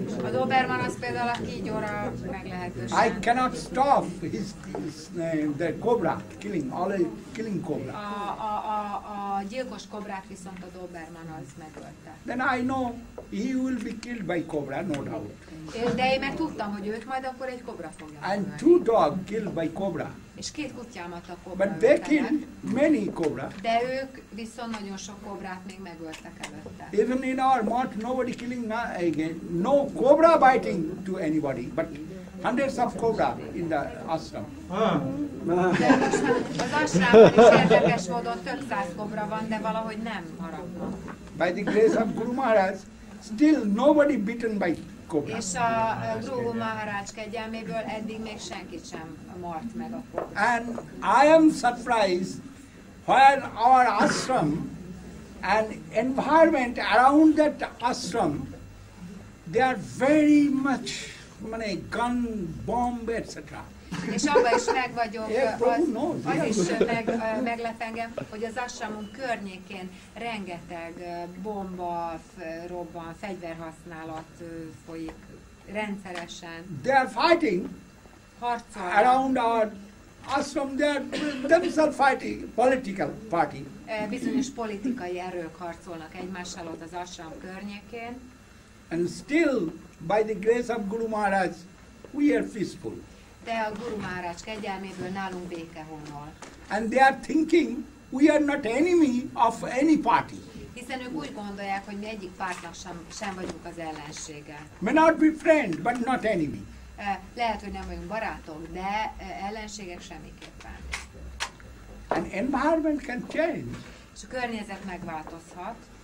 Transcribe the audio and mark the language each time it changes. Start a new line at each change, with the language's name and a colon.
Hungarian: A Doberman az például a kígyóra meglehetősen.
English: I cannot stop his the cobra, killing, always killing cobra.
Hungarian: A gyilkos kobrát viszont a Doberman az megölte.
English: Then I know he will be killed by cobra, no doubt.
Hungarian: De én már tudtam, hogy őt majd akkor egy kobra fogja.
English: And two dog killed by cobra.
Hungarian: És két kutyámat a kobra.
English: But they killed many cobra.
Hungarian: De ők viszont nagyon sok kobrát még megöltek előtte.
English: Even in our mart, nobody killing again. No cobra biting to anybody, but hundreds of cobra in the ashram.
Hungarian: Az ashramban is érdekes módon több száz kobra van, de valahogy nem maradnak.
English: By the grace of Guru Maharaj, still nobody bitten by cobra.
Hungarian: És a Guru Maharaj kegyelméből eddig még senkit sem mart meg a kobra.
English: And I am surprised when our ashram and environment around that ashram, they are very much money, gun, bomb, etc.
Hungarian: És abban is meg vagyok, az is meglep engem, hogy az ashramunk környékén rengeteg bomba robban, fegyverhasználat folyik rendszeresen.
English: They are fighting.
Hungarian: Harcol.
English: Around our ashram, they are themselves fighting, political party.
Hungarian: Bizonyos politikai erők harcolnak egymással ott az ashram környékén.
English: And still, by the grace of Guru Maharaj, we are peaceful.
Hungarian: De a Guru Maharaj kegyelméből nálunk béke honol.
English: And they are thinking we are not enemy of any party.
Hungarian: Hiszen ők úgy gondolják, hogy mi egyik pártnak sem vagyunk az ellensége.
English: May not be friend, but not enemy.
Hungarian: Lehet, hogy nem vagyunk barátok, de ellenségek semmiképpen.
English: And environment can change.
Hungarian: És a környezet megváltozhat.